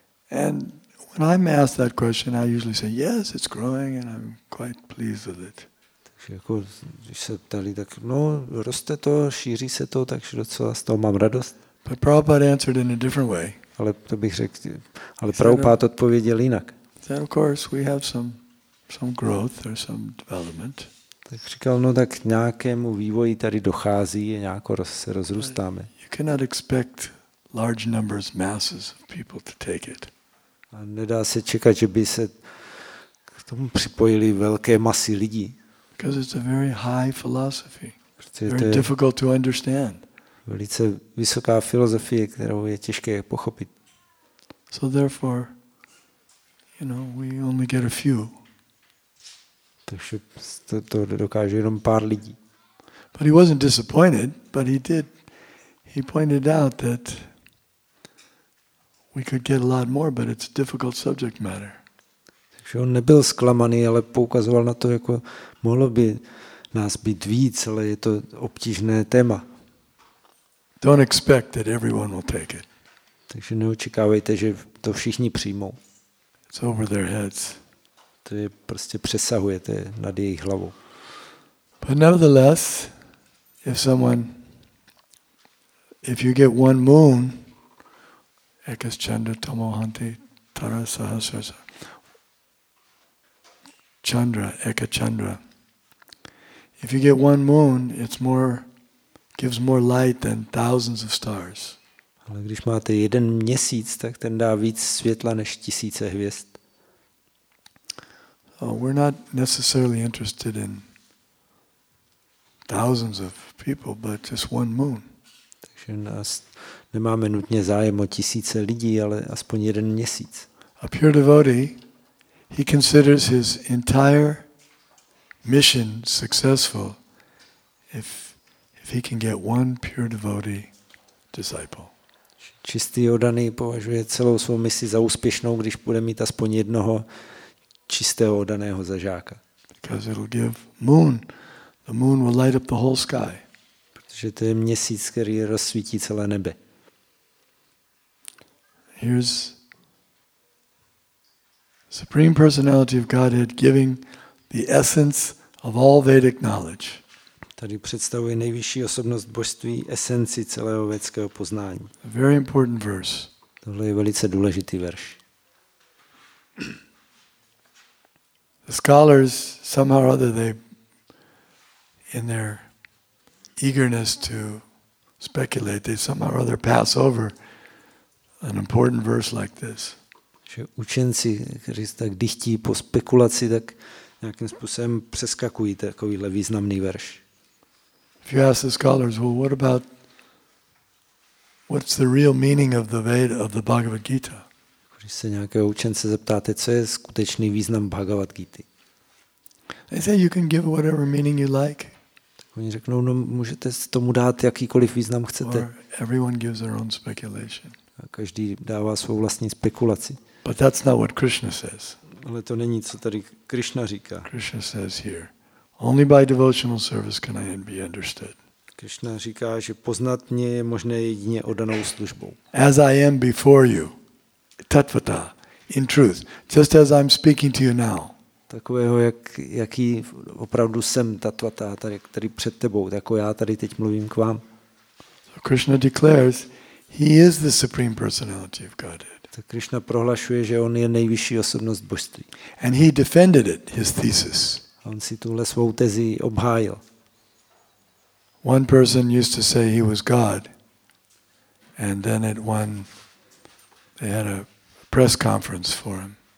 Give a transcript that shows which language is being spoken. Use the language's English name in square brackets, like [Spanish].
[English] And when I'm asked that question, I usually say, yes, it's growing and I'm quite pleased with it. [Czech] Takže jako, když se ptali, tak no, roste to, šíří se to, takže docela z toho mám radost. [English] But Prabhupada answered in a different way. [Czech] Ale to bych řekl, ale Prabhupada odpověděl jinak. [English] Then of course we have some growth or some development. [Czech] Tak říkal, no tak nějakému vývoji tady dochází, nějako se rozrůstáme. [English] You cannot expect large numbers, masses of people to take it. [Czech] A nedá se čekat, že by se k tomu připojili velké masy lidí. [English] Because it's a very high philosophy. Very difficult to understand. [Czech] Velice vysoká filozofie, kterou je těžké pochopit. [English] So therefore, you know, we only get a few. [Czech] Takže to dokáže jenom pár lidí. [English] But he wasn't disappointed, but he did. He pointed out that we could get a lot more, but it's a difficult subject matter. [Czech] Takže on nebyl zklamaný, ale poukazoval na to, jako mohlo by nás být víc, ale je to obtížné téma. [English] Don't expect that everyone will take it. [Czech] Takže neočekávejte, že to všichni přijmou. [English] It's over their heads. [Czech] To je prostě přesahuje, to je nad jejich hlavou. [English] But nevertheless, if you get one moon, [Sanskrit] ekas chandra tamohanti tara sahasrasa, [English] chandra, eka chandra. If you get one moon, gives more light than thousands of stars. [Czech] Ale když máte jeden měsíc, tak ten dá víc světla než tisíce hvězd. [English] So we're not necessarily interested in thousands of people, but just one moon. [Czech] Takže nás nemáme nutně zájem o tisíce lidí, ale aspoň jeden měsíc. [English] A pure devotee, he considers his entire mission successful if he can get one pure devotee disciple. [Czech] Čistý oddaný považuje celou svou misi za úspěšnou, když bude mít aspoň jednoho čistého oddaného za žáka. [English] Because it'll give moon. The moon will light up the whole sky. [Czech] Protože to je měsíc, který rozsvítí celé nebe. [English] Here's Supreme Personality of Godhead giving the essence of all Vedic knowledge. [Czech] Tady představuje nejvyšší osobnost božství esenci celého vědeckého poznání. [English] A very important verse. [Czech] Tohle je velice důležitý verš. [English] The scholars somehow or other they in their eagerness to speculate they somehow or other pass over an important verse like this. [Czech] Že učenci, kteří tak dychtí po spekulaci, tak nějakým způsobem přeskakují takovýhle významný verš. [English] If you ask the scholars, well, what's the real meaning of the Veda, of the Bhagavad Gita? [Czech] Když se nějakého učence zeptáte, co je skutečný význam Bhagavad Gity? [English] They say you can give whatever meaning you like. [Czech] Tak oni řeknou, no, můžete tomu dát jakýkoliv význam chcete. [English] Or everyone gives their own speculation. [Czech] A každý dává svou vlastní spekulaci. [English] But that's not what Krishna says. [Czech] Ale to není, co tady Krishna říká. [English] Krishna says here, only by devotional service can I be understood. [Czech] Krishna říká, že poznat mě je možné jedině oddanou službou. [English] As I am before you, tatvata, in truth, just as I'm speaking to you now. [Czech] Takového, jaký opravdu jsem tatvata, který před tebou, jako já tady teď mluvím k vám. [English] So Krishna declares, he is the Supreme Personality of Godhead. [Czech] Tak Krishna prohlašuje, že on je nejvyšší osobnost božství. [English] And he defended it, his thesis. [Czech] On si tuhle svou tezi obhájil. [English] One person used to say he was God. And then at one they had a press conference for him.